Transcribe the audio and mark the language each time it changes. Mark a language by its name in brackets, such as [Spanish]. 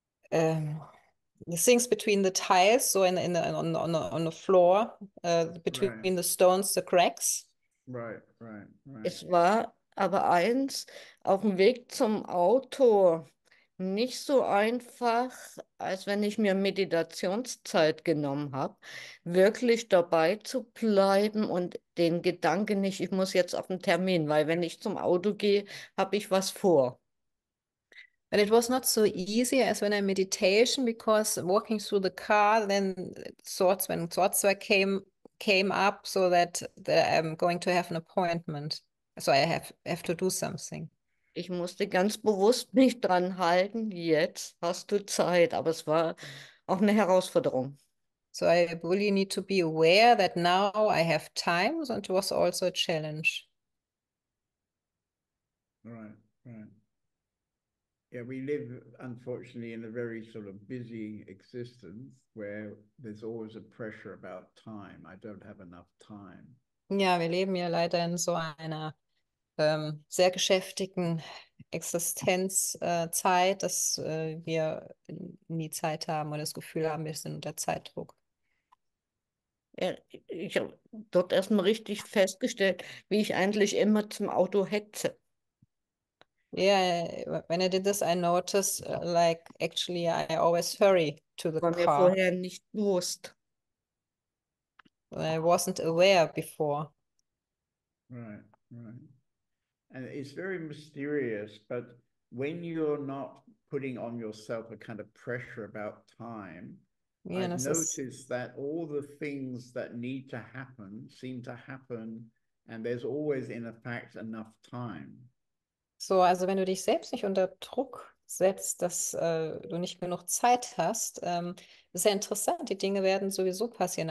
[English] The things between the tiles, so on the floor, between Right. the stones, the cracks. Right. [German] Es war aber eins, auf dem Weg zum Auto nicht so einfach, als wenn ich mir Meditationszeit genommen habe, wirklich dabei zu bleiben und den Gedanken nicht, ich muss jetzt auf den Termin, weil wenn ich zum Auto gehe, habe ich was vor. [English] But it was not so easy as when I meditation, because walking through the car, then thoughts, when thoughts came up, so that I'm going to have an appointment, so I have to do something. [German] Ich musste ganz bewusst mich dran halten. Jetzt hast du Zeit, aber es war auch eine Herausforderung. [English] So I really need to be aware that now I have time, so it was also a challenge. Right. Yeah, we live unfortunately in a very sort of busy existence where there's always a pressure about time. I don't have enough time. [German] Ja, wir leben ja leider in so einer sehr geschäftigen Existenzzeit, dass wir nie Zeit haben oder das Gefühl haben, wir sind unter Zeitdruck. Ich habe dort erstmal richtig festgestellt, wie ich eigentlich immer zum Auto hetze. [English] Yeah, when I did this, I noticed like actually I always hurry to the [German] War mir [English] car. [German] vorher nicht bewusst. [English] I wasn't aware before. Right. And it's very mysterious, but when you're not putting on yourself a kind of pressure about time, [German] Ja, [English] I've [German] das ist. [English] noticed that all the things that need to happen seem to happen, and there's always, in effect, enough time. [German] So, also wenn du dich selbst nicht unter Druck setzt, dass du nicht genug Zeit hast, ist ja interessant, die Dinge werden sowieso passieren.